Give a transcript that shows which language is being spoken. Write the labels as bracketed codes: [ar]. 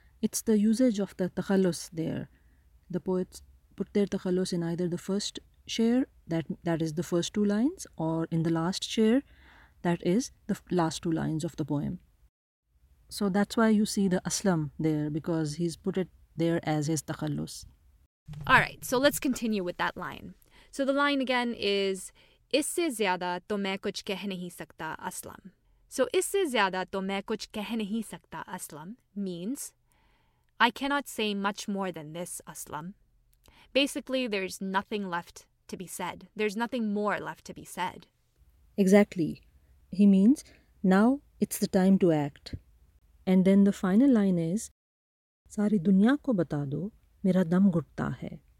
[en] It's the usage of the takhallus there. The poets put their takhallus in either the first share, that is the first two lines, or in the last share, that is the last two lines of the poem. So that's why you see the aslam there, because he's put it there as his takhallus. All right, so let's continue with that line. So the line again is, [ur] اس سے زیادہ تو میں کچھ کہہ نہیں سکتا Aslam. [en] So [ur] اس سے زیادہ تو میں کچھ کہہ نہیں سکتا Aslam [en] means, I cannot say much more than this, Aslam. Basically, there's nothing left to be said. There's nothing more left to be said. Exactly. He means, now it's the time to act. And then the final line is, [ur] Sari dunya ko bata do, mera dam ghutta hai.